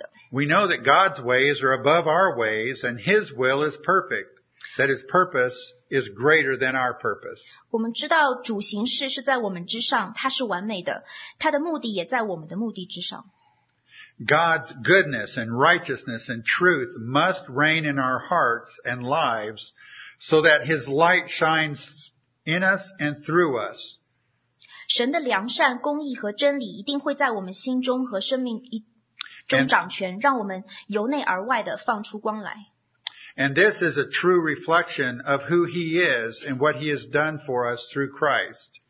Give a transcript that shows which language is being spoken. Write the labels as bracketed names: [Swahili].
[English] We know that God's ways are above our ways, and His will is perfect, that His purpose is greater than our purpose. [Chinese] 我们知道主行事是在我们之上，祂是完美的，祂的目的也在我们的目的之上。 [English] God's goodness and righteousness and truth must reign in our hearts and lives so that His light shines in us and through us. [Chinese] 神的良善、公义和真理一定会在我们心中和生命中掌权，让我们由内而外地放出光来。 [English] And this is a true reflection of who He is and what He has done for us through Christ.